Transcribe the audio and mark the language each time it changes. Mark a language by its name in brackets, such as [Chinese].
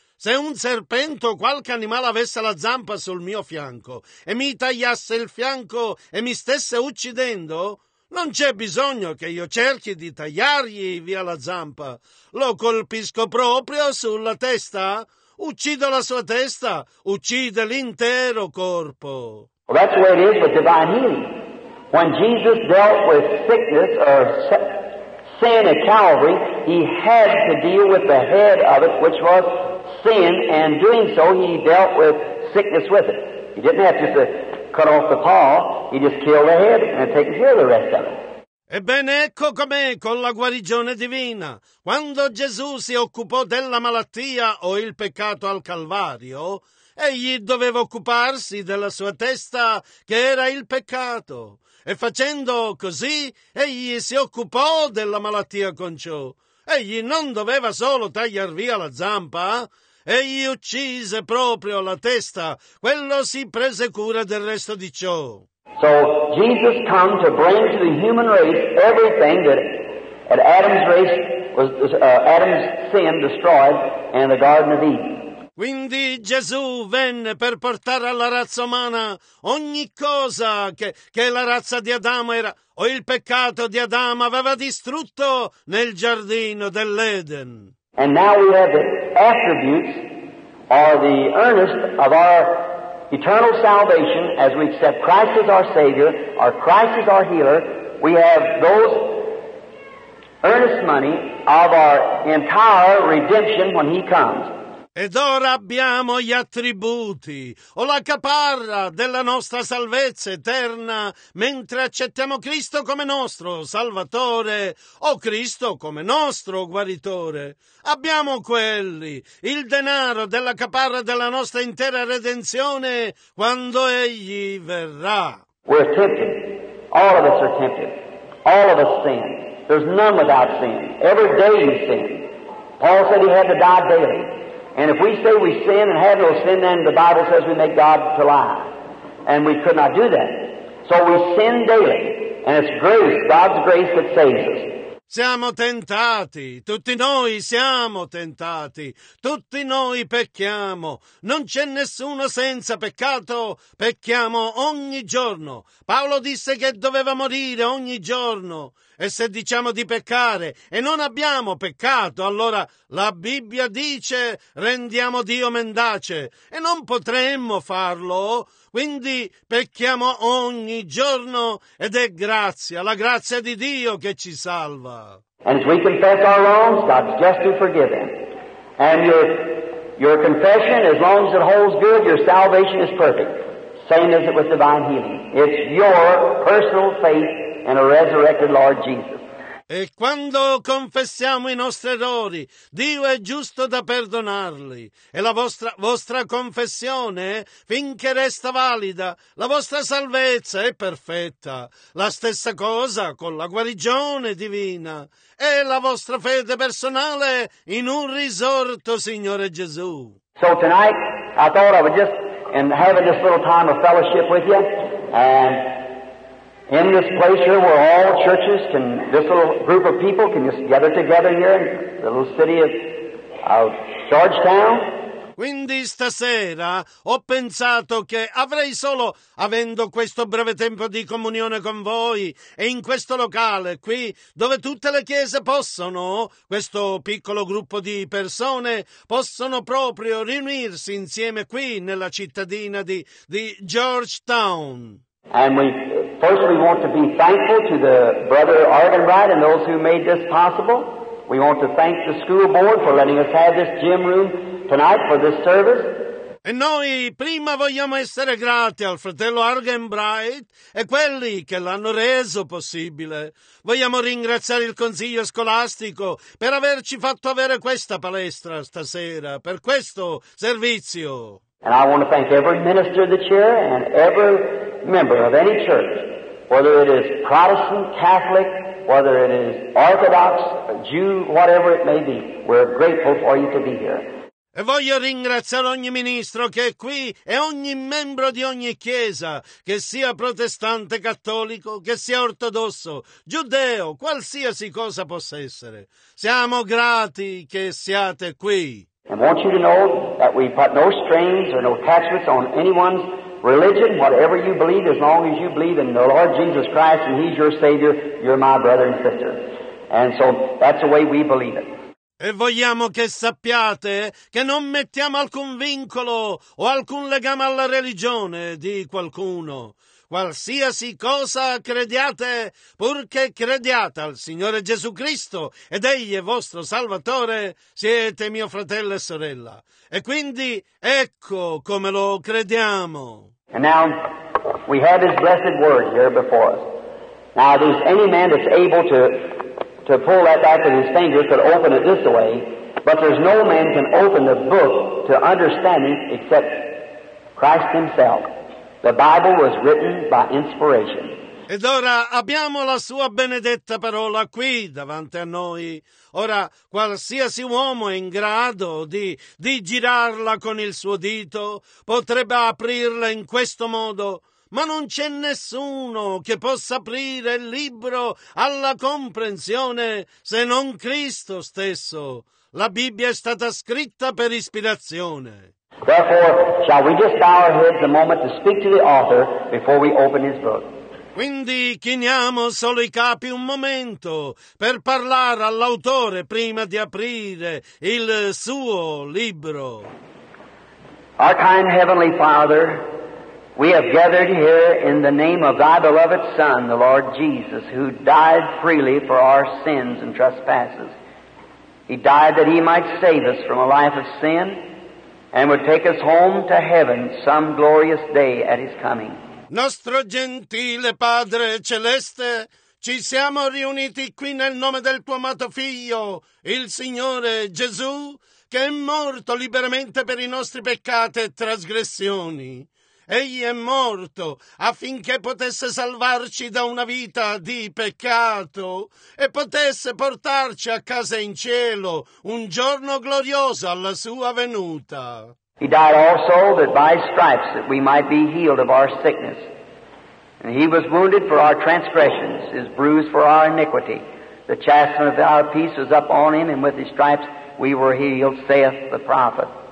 [Italian] Se un serpente o qualche animale avesse la zampa sul mio fianco e mi tagliasse il fianco e mi stesse uccidendo, non c'è bisogno che io cerchi di tagliargli via la zampa. Lo colpisco proprio sulla testa, uccido la sua testa, uccide l'intero corpo. [English] Well, that's the way it is with divine healing. When Jesus dealt with sickness or sin at Calvary, he had to deal with the head of it, which was sin, and doing so, he dealt with sickness with it. He didn't have just to cut off the paw, he just killed the head and had taken care of the rest of it. [Italian] Ebbene, ecco com'è con la guarigione divina. Quando Gesù si occupò della malattia o il peccato al Calvario, egli doveva occuparsi della sua testa, che era il peccato. E facendo così, egli si occupò della malattia con ciò. Egli non doveva solo tagliar via la zampa, egli uccise proprio la testa. Quello si prese cura del resto di ciò. [English] So Jesus came to bring to the human race everything that at Adam's race was Adam's sin destroyed in the Garden of Eden. [Italian] Quindi Gesù venne per portare alla razza umana ogni cosa che la razza di Adamo era o il peccato di Adamo aveva distrutto nel giardino dell'Eden. [English] And now we have the attributes or the earnest of our eternal salvation as we accept Christ as our Savior, or Christ as our healer. We have those earnest money of our entire redemption when He comes. [Italian] Ed ora abbiamo gli attributi o la caparra della nostra salvezza eterna mentre accettiamo Cristo come nostro Salvatore o Cristo come nostro guaritore. Abbiamo quelli, il denaro della caparra della nostra intera redenzione quando Egli verrà. [English] We're tempted. All of us are tempted. All of us sin. There's none without sin. Every day we sin. Paul said he had to die daily. And if we say we sin and have no sin, then the Bible says we make God to lie. And we could not do that. So we sin daily. And it's grace, God's grace, that saves us. [Italian] Siamo tentati. Tutti noi siamo tentati. Tutti noi pecchiamo. Non c'è nessuno senza peccato. Pecchiamo ogni giorno. Paolo disse che doveva morire ogni giorno. E se diciamo di peccare e non abbiamo peccato, allora la Bibbia dice rendiamo Dio mendace e non potremmo farlo. Quindi pecchiamo ogni giorno ed è grazia, la grazia di Dio che ci salva. [English] And as we confess our wrongs, God's just to forgive them. And your confession, as long as it holds good, your salvation is perfect. Same as it with divine healing. It's your personal faith and a resurrected Lord Jesus. [Italian] E quando confessiamo i nostri errori, Dio è giusto da perdonarli. E la vostra confessione, finché resta valida, la vostra salvezza è perfetta. La stessa cosa con la guarigione divina. E la vostra fede personale in un risorto, Signore Gesù. [English] So tonight, I thought I would just, in having this little time of fellowship with you, and in this place here where all churches can, this little group of people can just gather together here in the little city of Georgetown. [Italian] Quindi stasera ho pensato che avrei solo, avendo questo breve tempo di comunione con voi e in questo locale qui, dove tutte le chiese possono, questo piccolo gruppo di persone, possono proprio riunirsi insieme qui nella cittadina di Georgetown. [English] And we firstly want to be thankful to the brother Argenbright and those who made this possible. We want to thank the school board for letting us have this gym room tonight for this service. [Italian] E noi prima vogliamo essere grati al fratello Argenbright e quelli che l'hanno reso possibile. Vogliamo ringraziare il consiglio scolastico per averci fatto avere questa palestra stasera per questo servizio. [English] And I want to thank every minister that's here and every member of any church, whether it is Protestant, Catholic, whether it is Orthodox, Jew, whatever it may be, we're grateful for you to be here. [Italian] E voglio ringraziare ogni ministro che è qui e ogni membro di ogni chiesa, che sia protestante, cattolico, che sia ortodosso, giudeo, qualsiasi cosa possa essere. Siamo grati che siate qui. [English] And want you to know that we put no strings or no attachments on anyone's religion, whatever you believe, as long as you believe in the Lord Jesus Christ and He's your Savior, you're my brother and sister. And so that's the way we believe it. [Italian] E vogliamo che sappiate che non mettiamo alcun vincolo o alcun legame alla religione di qualcuno. qualsiasi cosa crediate, purché crediate al Signore Gesù Cristo ed Egli è vostro Salvatore, siete mio fratello e sorella. E quindi ecco come lo crediamo. [English] And now we have his blessed word here before us. Now, if there's any man that's able to pull that back with his fingers, could open it this way, but there's no man can open the book to understanding except Christ himself. The Bible was written by inspiration. [Italian] Ed ora abbiamo la sua benedetta parola qui davanti a noi. Ora qualsiasi uomo è in grado di girarla con il suo dito, potrebbe aprirla in questo modo. Ma non c'è nessuno che possa aprire il libro alla comprensione se non Cristo stesso. La Bibbia è stata scritta per ispirazione. [English] Therefore, shall we just bow our heads a moment to speak to the author before we open his book? [Italian] Quindi chiniamo solo i capi un momento per parlare all'autore prima di aprire il suo libro. [English] Our kind heavenly Father, we have gathered here in the name of thy beloved Son, the Lord Jesus, who died freely for our sins and trespasses. He died that he might save us from a life of sin and would take us home to heaven some glorious day at his coming. [Italian] Nostro gentile Padre Celeste, ci siamo riuniti qui nel nome del tuo amato Figlio, il Signore Gesù, che è morto liberamente per i nostri peccati e trasgressioni. Egli è morto affinché potesse salvarci da una vita di peccato e potesse portarci a casa in cielo un giorno glorioso alla sua venuta. [English] He died also that by stripes that we might be healed of our sickness. And he was wounded for our transgressions, his bruise for our iniquity. The chastisement of our peace was upon him, and with his stripes we were healed, saith the prophet.